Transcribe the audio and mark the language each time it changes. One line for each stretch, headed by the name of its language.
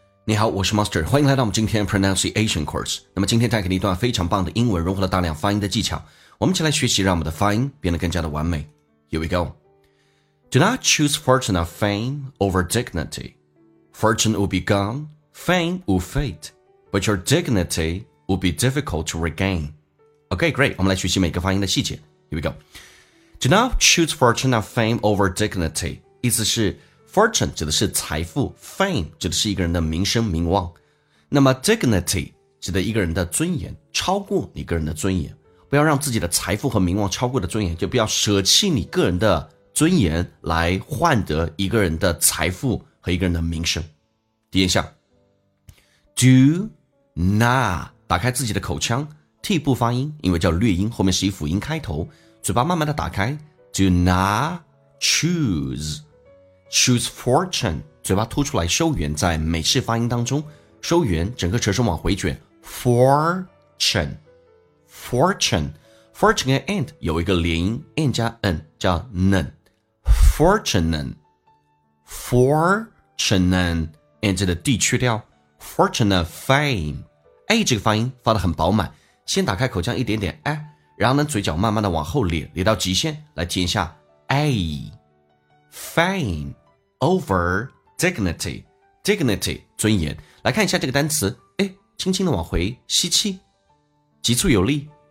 Chinese: 你好，我是 Master， 欢迎来到我们今天 Pronunciation Course。那么今天带给你一段非常棒的英文融合了大量发音的技巧，我们一起来学习让我们的发音变得更加的完美。
English: Here we go. Do not choose fortune or fame over dignity. Fortune will be gone, fame will fade, but your dignity will be difficult to regain. Okay, great.
Chinese: 我们来学习每个发音的细节。
English: Here we go. Do not choose fortune or fame over dignity.
Chinese: 意思是Fortune 指的是财富 ,fame 指的是一个人的名声名望。那么 dignity 指的一个人的尊严，超过你个人的尊严。不要让自己的财富和名望超过的尊严，就不要舍弃你个人的尊严来换得一个人的财富和一个人的名声。第一项 ,do not, 打开自己的口腔 ,t 不发音，因为叫略音，后面是以辅音开头，嘴巴慢慢的打开 ,
English: do not choose, Choose fortune,
Chinese: 嘴巴凸出来，收圆，在美式发音当中，收圆，整个舌身往回卷。
English: Fortune, fortune, fortune
Chinese: 跟 and 有一个连音 ，and 加 n 叫 nun,
English: fortune, fortune, and
Chinese: 这个 d 去掉。 Fortune fame, a 这个发音发得很饱满，先打开口腔一点点，哎，然后呢，嘴角慢慢的往后咧，咧到极限，来听一下
English: a fame. Over dignity, dignity,
Chinese: 尊严。来看一下这个单词，哎，轻轻的往回吸气，急促有力。